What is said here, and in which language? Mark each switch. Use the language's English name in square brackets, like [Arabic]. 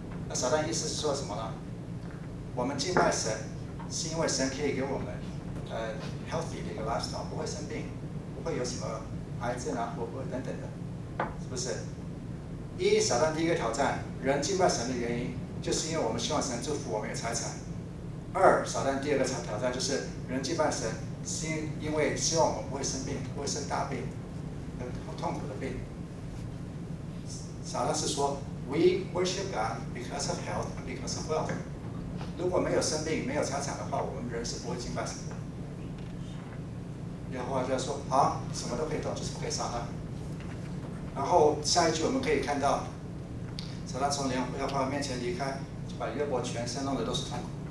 [Chinese] 那撒旦意思是说什么呢？我们敬拜神，是因为神可以给我们healthy 的一个 lifestyle， 不会生病，不会有什么癌症啊，或等等的，是不是？一，撒旦第一个挑战，人敬拜神的原因，就是因为我们希望神祝福我们的财产。二，撒旦第二个挑战就是人敬拜神，是因为希望我们不会生病，不会生大病，很痛苦的病。撒旦是说 [English] ，We worship God because of health and because of wealth。 [Chinese] 如果没有生病、没有财产的话，我们人是不会敬拜神的。耶和华就说：“好，什么都可以做，就是不可以杀他。” 然后下一句我们可以看到，撒旦从耶和华面前离开，就把约伯全身弄得都是痛苦。